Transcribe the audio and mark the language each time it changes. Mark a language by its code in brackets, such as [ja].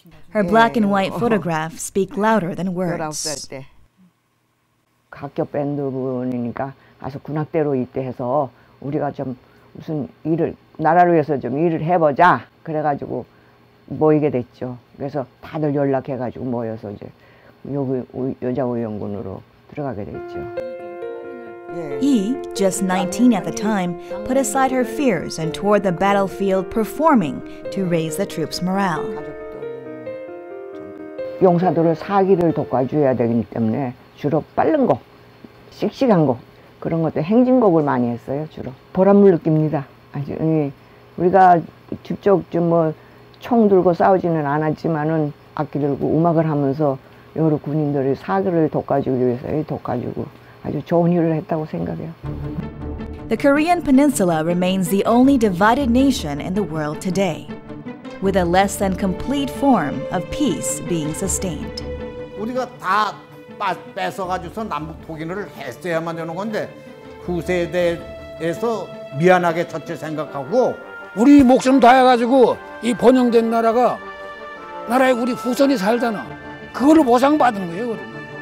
[en] Her black and white photographs speak louder than words. [ko] 학교 밴드부니까 가서 군악대로 입대해서 우리가 좀 무슨 일을 나라를 위해서 좀 일을 해보자 그래가지고 모이게 됐죠. 그래서 다들 연락해가지고 모여서 이제 여기 여자 의원군으로 들어가게 됐죠. [en] Yi, just 19 at the time, put aside her fears and toured the battlefield performing to raise the troops' morale. [ko] 용사들을 사기를 돋궈줘야 되기 때문에 주로 빠른 거, 씩씩한 거, 그런 것들 행진곡을 많이 했어요, 주로. 보람을 느낍니다. 아주, 예. 우리가 직접 좀 뭐 총 들고 싸우지는 않았지만은 악기 들고 음악을 하면서 여러 군인들이 사기를 돋궈주기 위해서 돋궈주고 아주 좋은 일을 했다고 생각해요. [en] The Korean Peninsula remains the only divided nation in the world today, with a less than complete form of peace being sustained. [ko] 우리가 다 뺏어가지고서 남북 통일을 했어야만 되는 건데 후세대에서 미안하게 첫째 생각하고 우리 목숨 다해가지고 이 번영된 나라가 나라에 우리 후손이 살잖아. 그걸로 보상받은 거예요, 그러면.